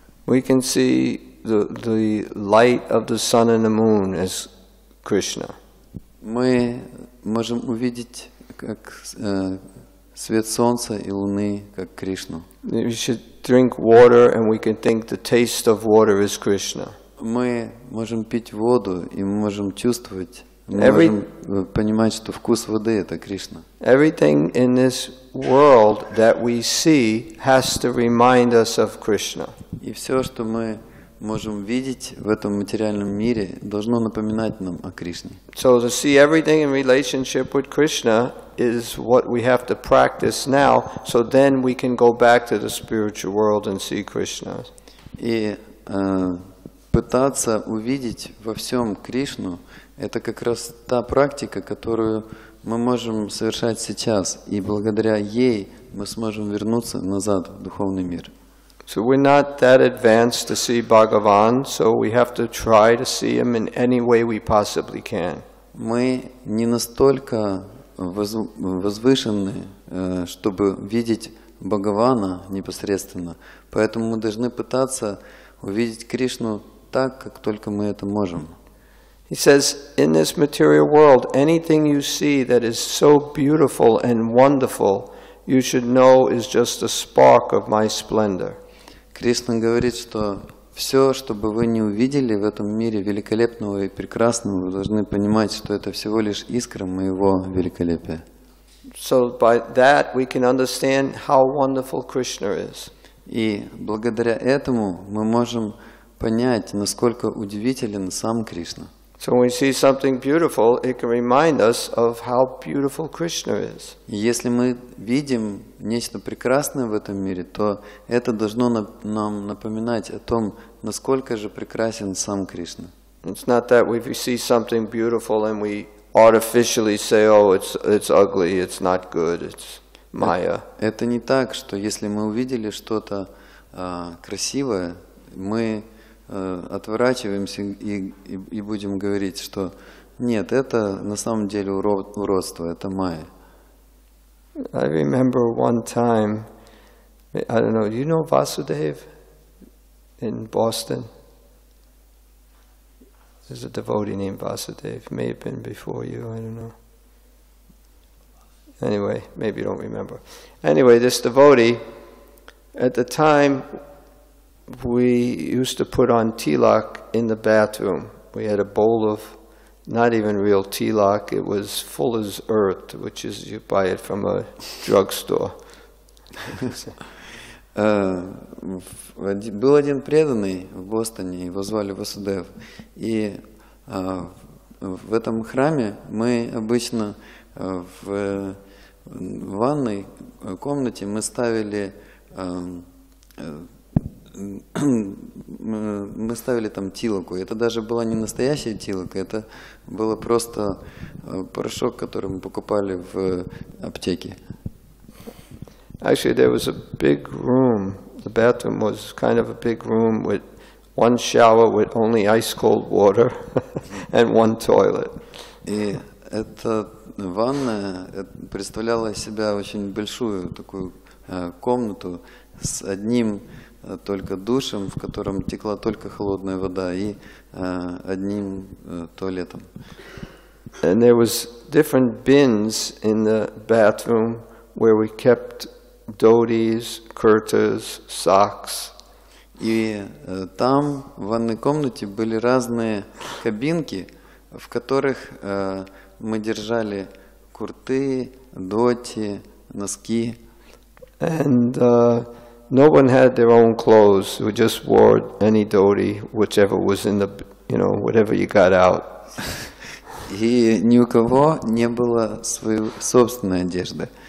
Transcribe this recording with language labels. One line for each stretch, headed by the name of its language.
English: We can see the light of the sun and the moon as Krishna.
Russian: Мы можем увидеть как свет солнца и луны как Кришну.
English: We should drink water and we can think the taste of water is Krishna.
Russian: Мы можем пить воду и мы можем чувствовать, мы можем понимать, что вкус воды это Кришна.
English: Everything in this world that we see has to remind us of Krishna.
Russian: И все, что мы можем видеть в этом материальном мире, должно напоминать нам о Кришне.
English: So to see everything in relationship with Krishna is what we have to practice now, so then we can go back to the spiritual world and see Krishna.
Russian: И пытаться увидеть во всем Кришну, это как раз та практика, которую мы можем совершать сейчас, и благодаря ей мы сможем вернуться назад в духовный мир.
English: So we're not that advanced to see Bhagavan, so we have to try to see him in any way we possibly can.
Russian: Мы не настолько возвышены, чтобы видеть Бхагавана непосредственно, поэтому мы должны пытаться увидеть Кришну так, как только мы это можем.
English: He says, in this material world, anything you see that is so beautiful and wonderful, you should know is just a spark of my splendor.
Russian: Кришна говорит, что все, что бы вы не увидели в этом мире великолепного и прекрасного, вы должны понимать, что это всего лишь искра моего великолепия.
English: So by that we can understand how wonderful Krishna is.
Russian: И благодаря этому мы можем понять, насколько удивителен сам Кришна.
English: So when we see something beautiful, it can remind us of how beautiful Krishna is.
Russian: Если мы видим нечто прекрасное в этом мире, то это должно нам напоминать о том, насколько же прекрасен сам Кришна.
English: It's not that we see something beautiful and we artificially say, "Oh, it's ugly, it's not good, it's Maya."
Russian: Это не так, что если мы увидели что-то красивое, мы отворачиваемся и будем говорить, что нет, это на самом деле уродство, это майя.
English: I remember one time, I don't know, do you know Vasudev in Boston? There's a devotee named Vasudev, may have been before you, I don't know. Anyway, maybe you don't remember. Anyway, this devotee, at the time, we used to put on tilak in the bathroom. We had a bowl of not even real tilak. It was full as earth, which is you buy it from a drugstore.
Russian: Был один преданный в Бостоне, его звали Васудев. И в этом храме мы обычно в ванной комнате мы ставили мы ставили там тилаку. Это даже была не настоящая тилака, это было просто порошок, который мы покупали в аптеке.
English: Actually, there was a big room. The bathroom was kind of a big room with one shower with only ice cold water and one toilet.
Russian: И эта ванная представляла из себя очень большую такую комнату с одним только душем, в котором текла только холодная вода, и одним туалетом.
English: And there was different bins in the bathroom where we kept dhotis, kurtas, socks.
Russian: И там, в ванной комнате, были разные кабинки, в которых мы держали курты, доти, носки.
English: And no one had their own clothes. We just wore any dhoti, whichever was in the, you know, whatever you got out.
Russian: И ни у кого не было своей собственной одежды.